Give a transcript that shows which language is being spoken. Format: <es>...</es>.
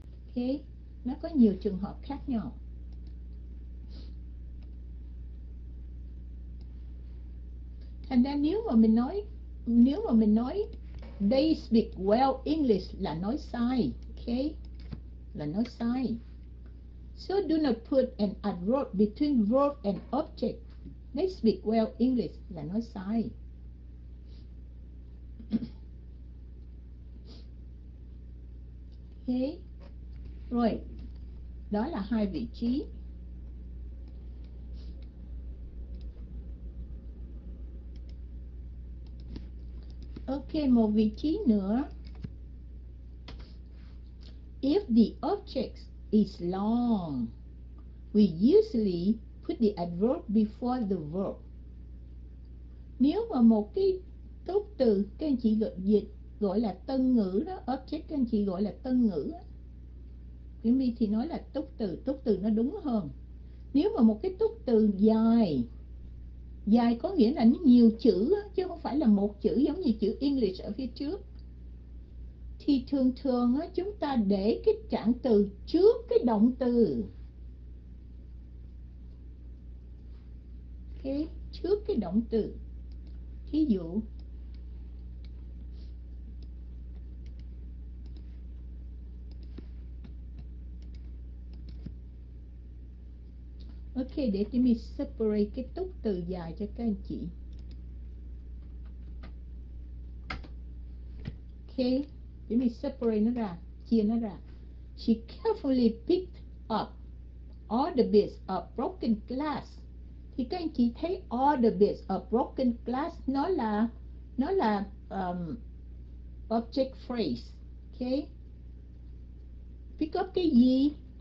<vi>Ok, nó có nhiều trường hợp khác nhau. Thành ra nếu mà mình nói</vi> <en>they speak well English</en> <vi>là nói sai. Ok, là nói sai.</vi> <en>So do not put an adverb between verb and object. They speak well English</en> <vi>là nói sai. Ok, rồi. Đó là hai vị trí. Ok, một vị trí nữa.</vi> <en>If the object is long, we usually put the adverb before the verb.</en> <vi>Nếu mà một cái tốt từ, các anh chị dịch gọi là tân ngữ đó, object các anh chị gọi là tân ngữ đó. Tiếng Mỹ thì nói là túc từ nó đúng hơn. Nếu mà một cái túc từ dài, dài có nghĩa là nó nhiều chữ chứ không phải là một chữ giống như chữ English ở phía trước, thì thường thường chúng ta để cái trạng từ trước cái động từ. Ok, trước cái động từ. Ví dụ, ok, để chúng mình separate cái túc từ dài cho các anh chị. Ok, chúng mình separate nó ra, chia nó ra.</vi> <en>She carefully picked up all the bits of broken glass.</en> <vi>Thì các anh chị thấy</vi> <en>all the bits of broken glass</en> <vi>nó là</vi> <en>object phrase.</en> <vi>Ok,</vi> <en>pick up</en> <vi>cái gì?</vi>